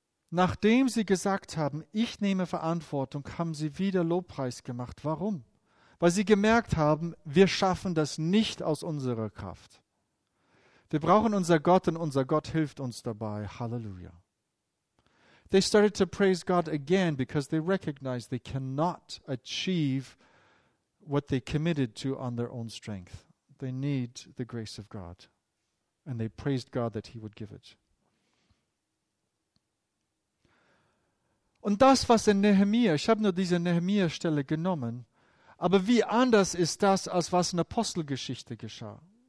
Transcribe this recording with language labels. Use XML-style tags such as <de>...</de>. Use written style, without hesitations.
<de>Nachdem sie gesagt haben, ich nehme Verantwortung, haben sie wieder Lobpreis gemacht. Warum? Weil sie gemerkt haben, wir schaffen das nicht aus unserer Kraft. Wir brauchen unser Gott und unser Gott hilft uns dabei. Halleluja.</de> <en>They started to praise God again because they recognized they cannot achieve what they committed to on their own strength. They need the grace of God. And they praised God that he would give it.</en> <de>Und das, was in Nehemia, ich habe nur diese Nehemia-Stelle genommen, aber wie anders ist das, als was in Apostelgeschichte geschah?</de>